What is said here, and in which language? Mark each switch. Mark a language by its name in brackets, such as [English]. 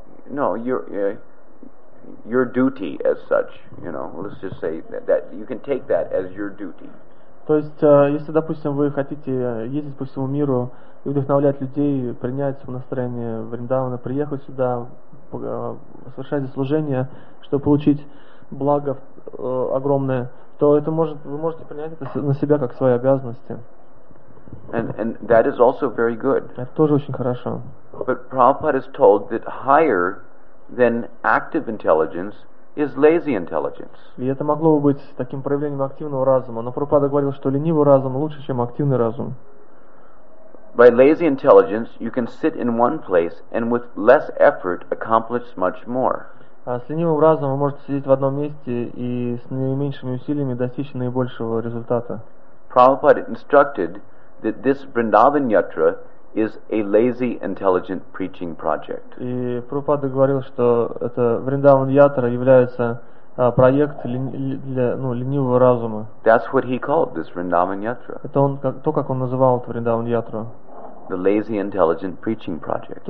[English] No, your duty as such, you know. Let's just say that you can take that as your duty. [Russian] То есть, если, допустим, вы хотите ездить по всему миру и вдохновлять людей, принять в настроение Вриндавана, приехать сюда, совершать служение, чтобы получить благо огромное, то это может, вы можете принять это на себя как свои обязанности. [English] And that is also very good. [Russian] Это тоже очень хорошо. [English] But Prabhupada is told that higher than active intelligence is lazy intelligence. [Russian] И это могло бы быть таким проявлением активного разума, но Прабхупада говорил, что ленивый разум лучше, чем активный разум. [English] By lazy intelligence, you can sit in one place and with less effort accomplish much more. [Russian] А с ленивым разумом вы можете сидеть в одном месте и с наименьшими усилиями достичь наибольшего результата. [English] Prabhupada instructed that this Vrindavan Yatra is a lazy intelligent preaching project. [Russian] И Прабхупада говорил, что это Вриндаван Ятра является проект для, ну, ленивого разума. [English] That's what he called this Vrindavan Yatra. [Russian] Это он то, как он называл это Вриндаван Ятру. [English] The lazy intelligent preaching project.